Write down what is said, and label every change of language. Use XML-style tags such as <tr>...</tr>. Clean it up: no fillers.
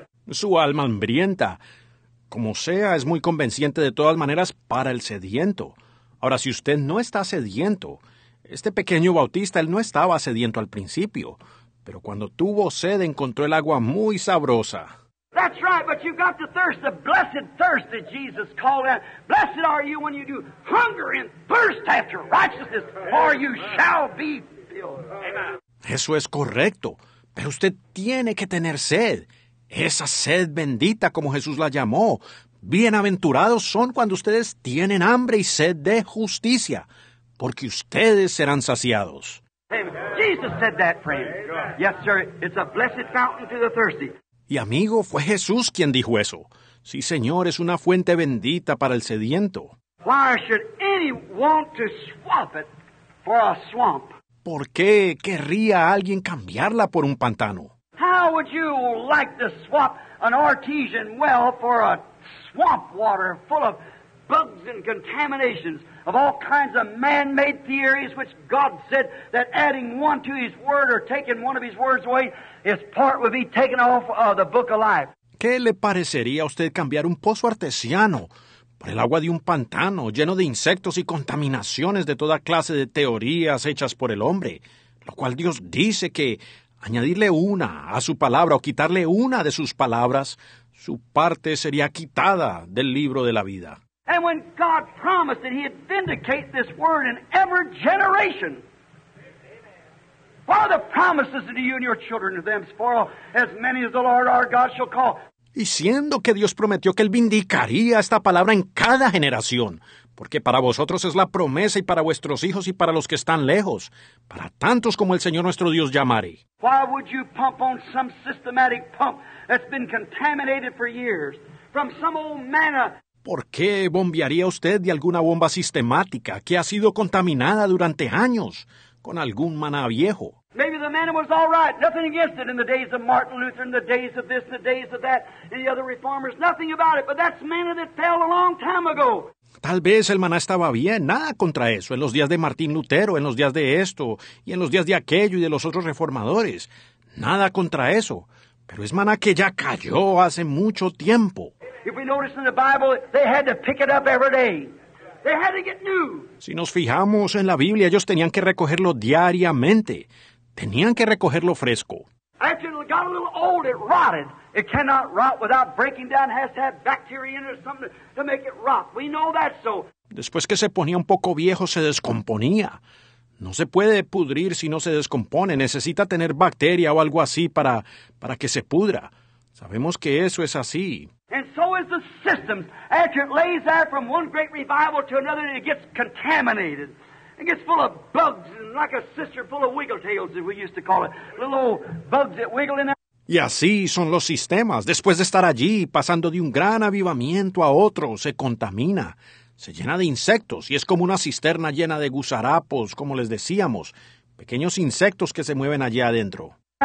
<es>Su alma hambrienta, como sea, es muy convenciente de todas maneras para el sediento. Ahora, si usted no está sediento... Este pequeño bautista, él no estaba sediento al principio, pero cuando tuvo sed encontró el agua muy sabrosa.</es> <en>That's right, but you've got the thirst, the blessed thirst that Jesus called out. Blessed are you when you do hunger and thirst after righteousness, or you shall be filled.</en> <es>Eso es correcto, pero usted tiene que tener sed. Esa sed bendita, como Jesús la llamó. Bienaventurados son cuando ustedes tienen hambre y sed de justicia. Porque ustedes serán saciados.</es> <en>Jesus said that, friend. Yes, sir. It's a blessed fountain to the thirsty.</en> <es>Y amigo, fue Jesús quien dijo eso. Sí, señor, es una fuente bendita para el sediento.</es> <en>Why should anyone want to swap it for a swamp?</en> <es>¿Por qué querría alguien cambiarla por un pantano?</es> <en>How would you like to swap an artesian well for a swamp water full of bugs and contaminations? Of all kinds of man-made theories which God said that adding one to his word or taking one of his words away, his part would be taken off of the book of life.</en> <es>¿Qué le parecería a usted cambiar un pozo artesiano por el agua de un pantano lleno de insectos y contaminaciones de toda clase de teorías hechas por el hombre? Lo cual Dios dice que añadirle una a su palabra o quitarle una de sus palabras, su parte sería quitada del libro de la vida.</es> <en>And when God promised that he'd vindicate this word in every generation, what are the promises to you and your children to them for as many as the Lord our God shall call?</en> <es>Y siendo que Dios prometió que él vindicaría esta palabra en cada generación, porque para vosotros es la promesa y para vuestros hijos y para los que están lejos, para tantos como el Señor nuestro Dios llamare.</es> <en>Why would you pump on some systematic pump that's been contaminated for years from some old manna?</en> <es>¿Por qué bombearía usted de alguna bomba sistemática que ha sido contaminada durante años con algún maná viejo?</es> <en>Maybe the manna was all right. Nothing against it in the days of Martin Luther, in the days of this, in the days of that, and the other reformers. Nothing about it. But that's manna that fell a long time ago.</en> <es>Tal vez el maná estaba bien. Nada contra eso. En los días de Martín Lutero, en los días de esto, y en los días de aquello y de los otros reformadores. Nada contra eso. Pero es maná que ya cayó hace mucho tiempo.</es> <en>If we notice in the Bible, they had to pick it up every day. They had to get new.</en> <es>Si nos fijamos en la Biblia, ellos tenían que recogerlo diariamente. Tenían que recogerlo fresco.</es> <en>After it got a little old, it rotted. It cannot rot without breaking down. It has to have bacteria in it or something to make it rot. We know that so.</en> <es>Después que se ponía un poco viejo, se descomponía. No se puede pudrir si no se descompone. Necesita tener bacteria o algo así para que se pudra. Sabemos que eso es así.</es> <en>And so is the system. After it lays there from one great revival to another, it gets contaminated. It gets full of bugs, and like a sister full of wiggle tails, as we used to call it. Little old bugs that wiggle in there.</en> <es>Y así son los sistemas. Después de estar allí, pasando de un gran avivamiento a otro, se contamina. Se llena de insectos y es como una cisterna llena de gusarapos, como les decíamos. Pequeños insectos que se mueven allí adentro.</es>